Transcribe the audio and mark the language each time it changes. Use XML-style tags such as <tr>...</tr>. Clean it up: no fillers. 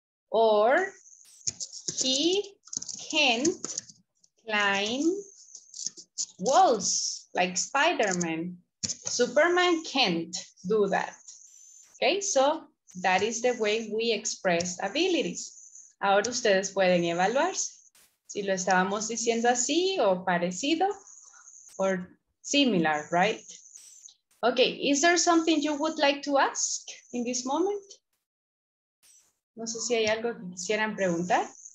<en>Or he can't climb walls like Spider-Man. Superman can't do that. Okay, so that is the way we express abilities.</en> <es>Ahora ustedes pueden evaluarse si lo estábamos diciendo así o parecido</es> <en>or similar, right? Okay, is there something you would like to ask in this moment?</en> <es>No sé si hay algo que quisieran preguntar.</es>